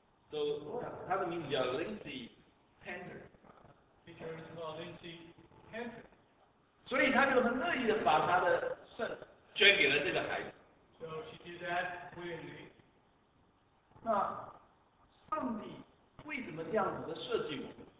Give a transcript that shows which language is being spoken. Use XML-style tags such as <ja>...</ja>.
<en>So</en> <zh>他的名字叫 Lindsay Panter.</zh> <en>Teacher is called Lindsay Panter.</en> <zh>所以他就很乐意的把他的肾捐给了这个孩子。</zh> <en>So she did that willingly.</en> <zh>那上帝为什么这样子的设计我们？</zh>